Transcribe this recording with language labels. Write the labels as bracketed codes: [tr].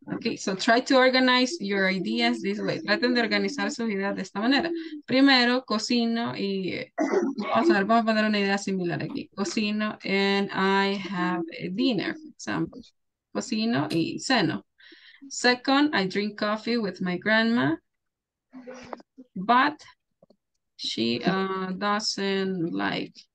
[en] Okay, so try to organize your ideas this way. [es] Traten de organizar sus ideas de esta manera. Primero, cocino y vamos a poner una idea similar aquí. [en] Cocino and I have a dinner, for example. [es] Cocino y ceno. [en] Second, I drink coffee with my grandma, but she doesn't like.